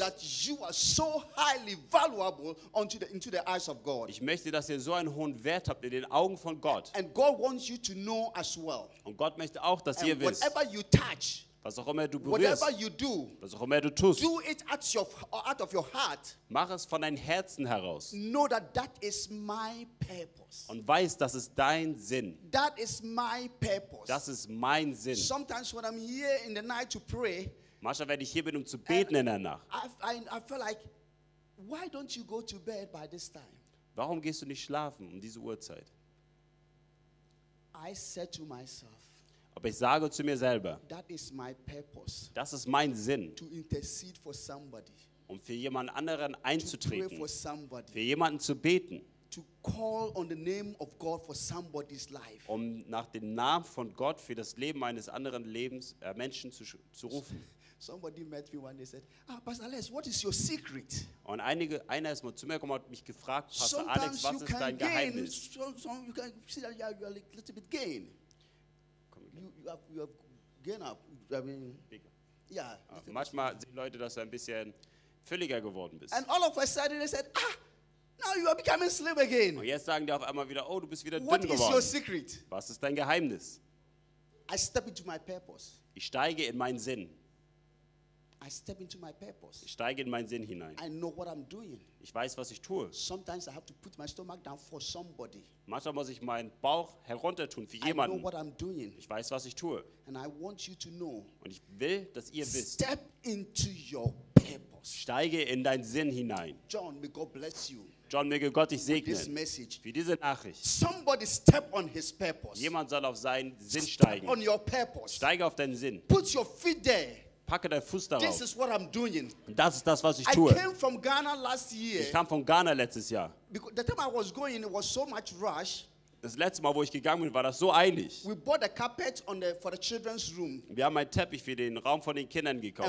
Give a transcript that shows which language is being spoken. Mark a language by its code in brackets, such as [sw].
[en] That you are so highly valuable unto the, into the eyes of God. [de] Ich möchte, dass ihr so einen hohen Wert habt in den Augen von Gott. [en] And God wants you to know as well. [de] Und Gott möchte auch, dass [en] and [de] ihr wisst. [en] Whatever you touch, [de] was auch immer du berührst, [en] whatever you do, [de] was auch immer du tust, [en] do it out of your heart, [de] mach es von deinem Herzen heraus. [en] Know that that is my purpose. [de] Und weiß, das ist dein Sinn. [en] That is my purpose. [de] Das ist mein Sinn. [en] Sometimes when I'm here in the night to pray, [de] manchmal, wenn ich hier bin, um zu beten in der Nacht, [en] I feel like, why don't you go to bed by this time? [de] Warum gehst du nicht schlafen um diese Uhrzeit? [en] I said to myself, [de] aber ich sage zu mir selber, [en] that is my purpose, [de] das ist mein Sinn, [en] to intercede for somebody, [de] um für jemand anderen einzutreten, [en] to pray for somebody, [de] für jemanden zu beten, [en] to call on the name of God for somebody's life, [de] um nach dem Namen von Gott für das Leben eines anderen Lebens, Menschen zu rufen. [en] Somebody met me one day and said, ah, Pastor Alex, what is your secret? [de] Und einer ist mal zu mir gekommen und hat mich gefragt, Pastor Alex, was ist dein Geheimnis? [en] Sometimes you can see that you are a little bit gain. You have gained up. I mean, bigger. Yeah. [de] Manchmal sehen Leute, dass du ein bisschen fülliger geworden bist. [en] And all of a sudden they said, ah, now you are becoming slim again. [de] Und jetzt sagen die auf einmal wieder, oh, du bist wieder [en] what [de] dünn geworden. [en] What is your secret? [de] Was ist dein Geheimnis? [en] I step into my purpose. [de] Ich steige in meinen Sinn. [en] I step into my purpose. [de] Ich steige in meinen Sinn hinein. [en] I know what I'm doing. [de] Ich weiß, was ich tue. [en] Sometimes I have to put my stomach down for somebody. [de] Manchmal muss ich meinen Bauch heruntertun für jemanden. [en] I know what I'm doing. [de] Ich weiß, was ich tue. [en] And I want you to know. [de] Und ich will, dass ihr [en] step [de] wisst. [en] Step into your purpose. [de] Steige in deinen Sinn hinein. [en] John, may God bless you. [de] John, möge Gott dich segnen. [en] This message. [de] Für diese Nachricht. [en] Somebody step on his purpose. [de] Jemand soll auf seinen Sinn [en] step [de] steigen. [en] On your purpose. [de] Steige auf deinen Sinn. [en] Put your feet there. [de] Packe deinen Fuß darauf. [en] This is what I'm doing. [de] Das ist das, was ich tue. [en] I came from Ghana last year. [de] Ich kam von Ghana letztes Jahr. [en] Because the time I was going, it was so much rush. [de] Das letzte Mal, wo ich gegangen bin, war das so einig. [en] We bought a carpet on the, for the children's room. [de] Wir haben einen Teppich für den Raum von den Kindern gekauft.